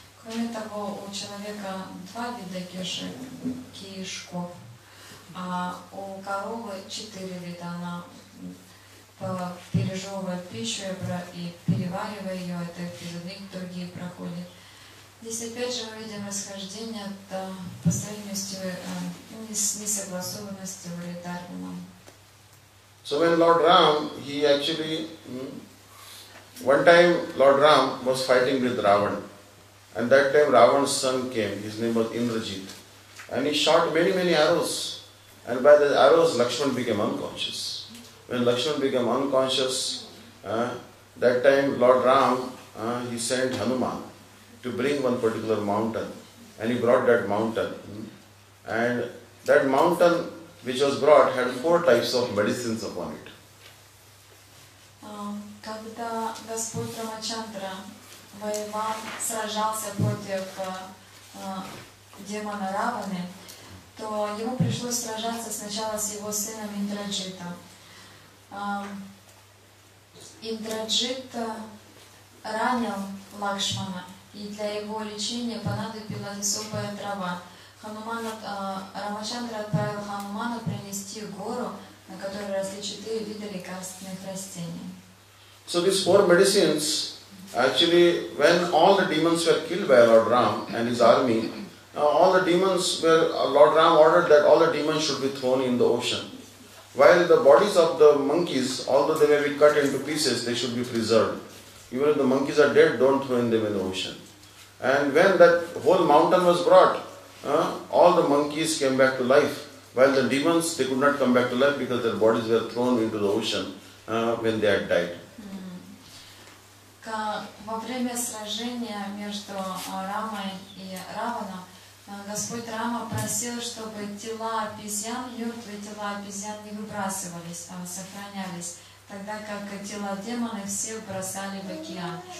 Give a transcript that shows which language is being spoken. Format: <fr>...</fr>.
<ru>Кроме того, у человека два вида кишков, а у коровы четыре вида, она пережевывает пищу и переваривая ее, это из одних другие проходят. Здесь опять же мы видим расхождение по сравнению с несогласованностью или Дарвином.</ru> <en>So when Lord Ram, he actually, one time Lord Ram was fighting with Ravan, and that time Ravan's son came, his name was Indrajit, and he shot many many arrows, and by the arrows Lakshman became unconscious. When Lakshman became unconscious, that time Lord Ram, he sent Hanuman to bring one particular mountain, and he brought that mountain. And that mountain which was brought had four types of medicines upon it.</en> <ru>Когда Господь Рамачандра воевал, сражался против демона Раваны, то ему пришлось сражаться сначала с его сыном Индраджитом. Индраджит ранил Лакшмана, и для его лечения понадобилась особая трава. Рамачандра отправил Ханумана принести гору. 4 вида лекарственных растений.</ru> <en>So these four medicines, actually, when all the demons were killed by Lord Ram and his army, all the demons were, Lord Ram ordered that all the demons should be thrown in the ocean. While the bodies of the monkeys, although they may be cut into pieces, they should be preserved. Even if the monkeys are dead, don't throw them in the ocean. And when that whole mountain was brought, all the monkeys came back to life. While the demons, they could not come back to life because their bodies were thrown into the ocean when they had died.</en> <ru>Во время сражения между Рамой и Раваном Господь Рама просил, чтобы тела обезьян, мертвые тела обезьян не выбрасывались, а сохранялись, тогда как тела демонов все бросали в океан.</ru>